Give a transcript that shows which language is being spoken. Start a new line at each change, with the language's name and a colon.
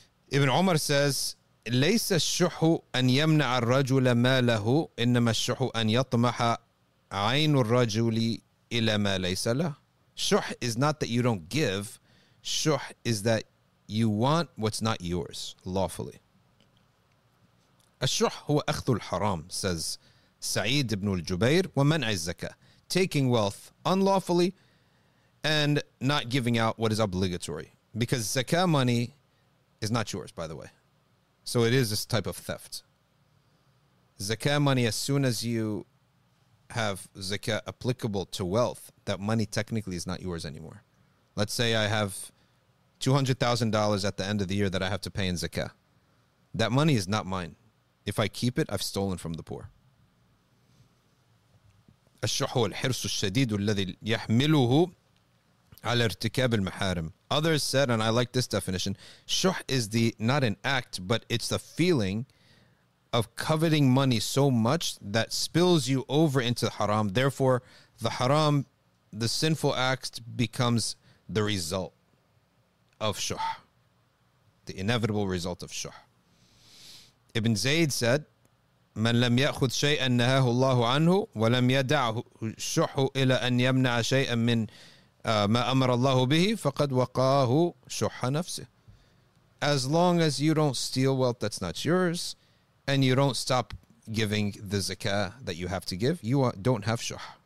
English: Ibn Umar says,
Arabic: ليس الشح أن يمنع الرجل ماله إنما الشح أن يطمح عين الرجل إلى ما ليس له.
English: Shuh is not that you don't give. Shuh is that you want what's not yours lawfully.
Arabic: الشح هو أخذ الحرام,
English: says سعيد بن الجبير,
Arabic: ومنع الزكاة,
English: taking wealth unlawfully and not giving out what is obligatory. Because zakah money is not yours, by the way. So it is this type of theft. Zakah money, as soon as you have zakah applicable to wealth, that money technically is not yours anymore. Let's say I have $200,000 at the end of the year that I have to pay in zakah. That money is not mine. If I keep it, I've stolen from the poor.
Arabic: الشح والحرص الشديد الذي يحمله على ارتكاب المحارم.
English: Others said, and I like this definition, shuh is the not an act, but it's the feeling of coveting money so much that spills you over into haram. Therefore, the haram, the sinful act, becomes the result of shuh, the inevitable result of shuh. Ibn Zayd said,
Arabic: من لم يأخذ شيئا نهاه الله عنه ولم يدع الشح إلى أن يمنع شيئا من ما أمر الله به فقد وقاه شح نفسه.
English: As long as you don't steal wealth that's not yours and you don't stop giving the zakah that you have to give, you don't have shuh.